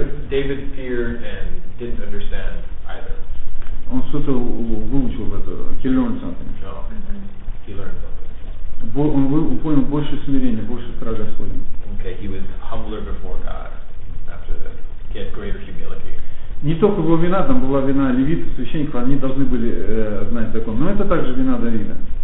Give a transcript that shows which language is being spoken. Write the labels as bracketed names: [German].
[English] David feared and didn't understand. [Russian] Он что-то выучил в это. [English] He learned something. No. He learned something. [Russian] Он понял, что понял, больше смирения, больше страха Господня. [English] Okay, he was humbler before God after that. Get greater humility. [Russian] Не только была вина, там была вина левитов, священников, они должны были знать закон. Но это также вина Давида.